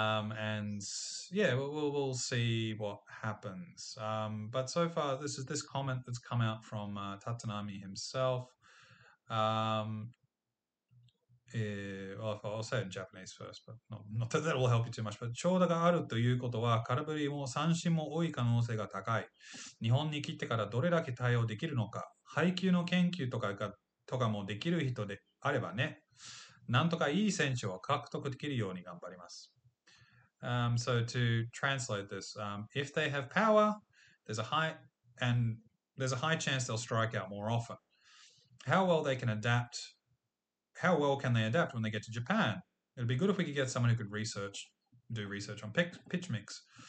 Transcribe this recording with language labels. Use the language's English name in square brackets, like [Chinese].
[English] We'll see what happens. But so far, this is this comment that's come out from Tatanami himself. I'll say it in Japanese first, but not that that will help you too much. But [Japanese] 長打があるということは、空振りも三振も多い可能性が高い。日本に来てからどれだけ対応できるのか、配球の研究とかがとかもできる人であればね、なんとかいい選手を獲得できるように頑張ります。 [English] So to translate this, if they have power, there's a high chance they'll strike out more often. How well can they adapt when they get to Japan? It'd be good if we could get someone who could do research on pitch mix.